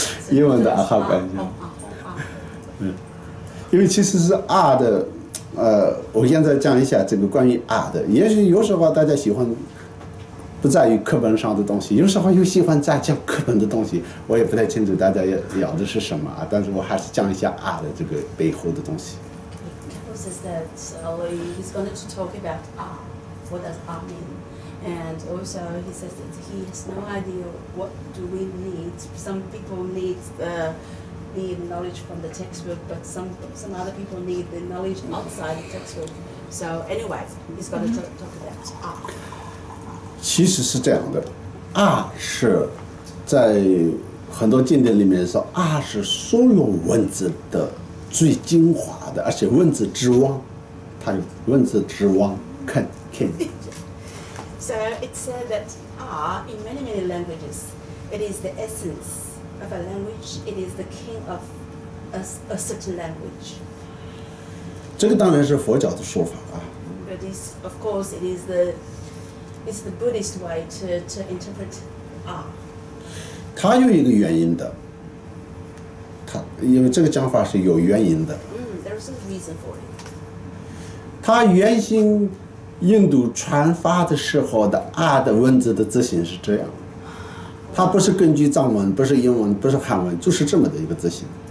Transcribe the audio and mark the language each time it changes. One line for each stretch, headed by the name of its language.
Chinese: 英文的啊好观想，因为其实是啊的，我现在讲一下这个关于啊的。也许有时候大家喜欢不在于课本上的东西，有时候又喜欢在讲课本的东西，我也不太清楚大家要的是什么啊。但是我还是讲一下啊的这个背后的东西。
English: Is that he's going to talk about ah? What does that mean? And also he says that he has no idea what do we need. Some people need the knowledge from the textbook, but some other people need the knowledge outside the textbook. So anyway, he's going to talk about art.
Chinese: 其实是这样的，art是在很多经典里面说，art是所有文字的最精华的，而且文字之王，它是文字之王，看。
English: So it said that in many, many languages, it is the essence of a language, it is the king of a certain language.
Chinese: 这个当然是佛教的说法啊。
English: But it's, of course, it is the Buddhist way to interpret R.
Chinese: 它有一个原因的，它因为这个讲法是有原因的。
English: There is a reason for it.
Chinese: 它原先印度传发的时候的阿的文字的字形是这样，它不是根据藏文，不是英文，不是汉文，就是这么的一个字形。